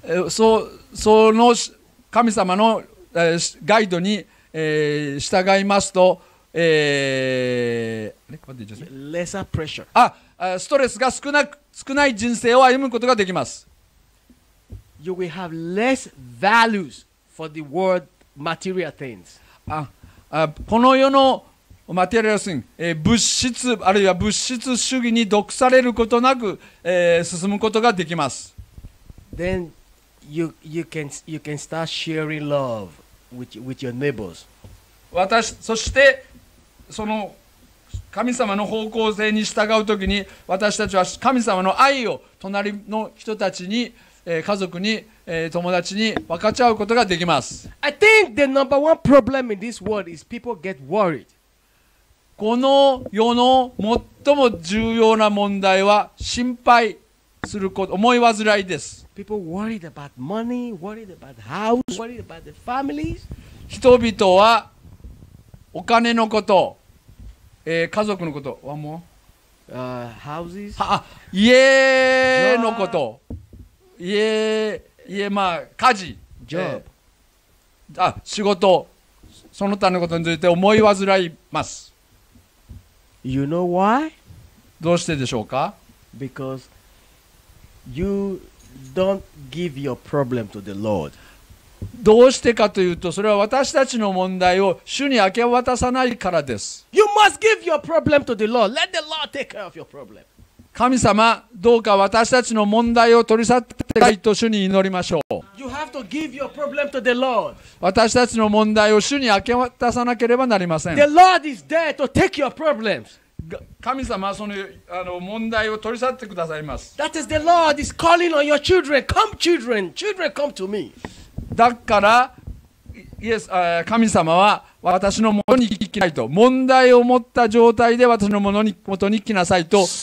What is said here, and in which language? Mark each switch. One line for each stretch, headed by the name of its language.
Japanese: その神様の、ガイドに、従いますと、
English: lesser pressure.
Japanese: ストレスが少ない人生を歩むことができます。
English: You will have less values for the world. Material things.
Japanese: この世のマテリアル性、物質あるいは物質主義に毒されることなく、進むことができます。
English: Then you can start sharing love with your neighbors.
Japanese: そしてその神様の方向性に従うときに私たちは神様の愛を隣の人たちに、家族に友達に分かち合うことができます。
English: I think the number one problem in this world is people get worried.
Japanese: この世の最も重要な問題は心配すること、思い煩いです。
English: People worried about money, worried about house, worried about the families.
Japanese: 人々はお金のこと、家族のこと、
English: one more. Houses.
Japanese: 家のこと、家まあ、家事、
English: Job.
Japanese: 仕事、その他のことについて思い煩います。
English: You know why?
Japanese: どうしてでしょうか?
English: Because you don't give your problem to the Lord.
Japanese: どうしてかというと、それは私たちの問題を主に明け渡さないからです。
English: You must give your problem to the Lord. Let the Lord take care of your problem.
Japanese: 神様、どうか私たちの問題を取り去ってないと主に祈りましょう。
English: You have to give your problem to the Lord.
Japanese: 私たちの問題を主に明け渡さなければなりません。
English: The Lord is there to take your problems.
Japanese: 神様はその、問題を取り去ってくださいます。
English: That is the Lord is calling on your children. Come, children. Children, come to me.
Japanese: だから、神様は私のものに聞きなさいと、問題を持った状態で私のものに元に来なさいと